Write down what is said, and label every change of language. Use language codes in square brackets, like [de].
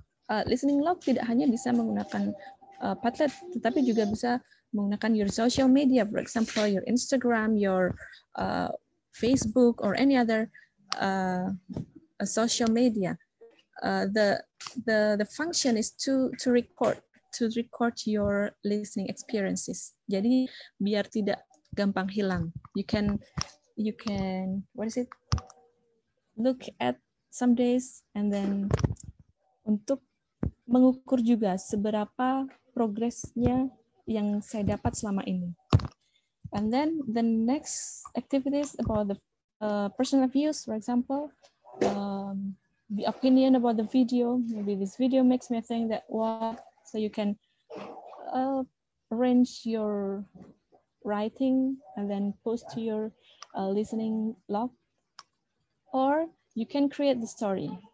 [en] Listening log [id] tidak hanya bisa menggunakan [en] Padlet, tetapi juga bisa menggunakan your social media, for example, your Instagram, your Facebook, or any other social media. The function is to record your listening experiences. [id] Jadi biar tidak gampang hilang. [en] You can what is it? Look at some days and then [id] untuk mengukur juga seberapa progresnya yang saya dapat selama ini. [en] And then the next activity is about the personal views, for example, the opinion about the video. Maybe this video makes me think that what. So you can arrange your writing and then post to your listening log, or you can create the story.